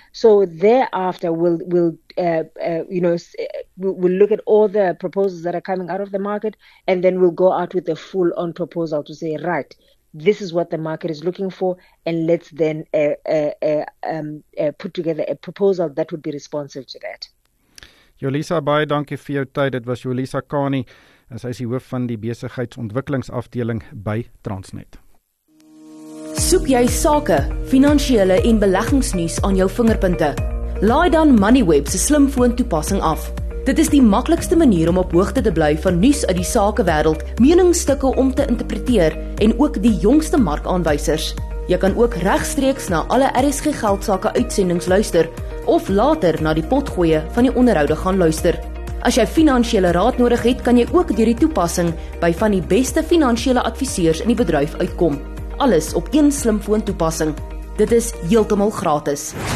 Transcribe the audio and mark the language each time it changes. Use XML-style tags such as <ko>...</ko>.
<en>So thereafter, we'll look at all the proposals that are coming out of the market, and then we'll go out with a full-on proposal to say, right, this is what the market is looking for, and let's then put together a proposal that would be responsive to that.</en> <af>Jolisa, baie dankie vir jou tyd. Dit was Jolisa Kani, en sy is die hoof van die besigheidsontwikkelingsafdeling by Transnet. Soek jy sake, finansiële en beleggingsnuus aan jou vingerpunte? Laai dan Moneyweb se slimfoon toepassing af. Dit is die maklikste manier om op hoogte te bly van nuus uit die sakewêreld, meningsstukke om te interpreteer en ook die jongste markaanwysers. Jy kan ook regstreeks na alle RSG geldsaake uitsendings luister of later na die potgoeie van die onderhoude gaan luister. As jy finansiële raad nodig het, kan jy ook deur die toepassing by van die beste finansiële adviseurs in die bedryf uitkom. Alles op een slimfoon toepassing. Dit is heeltemal gratis.</af>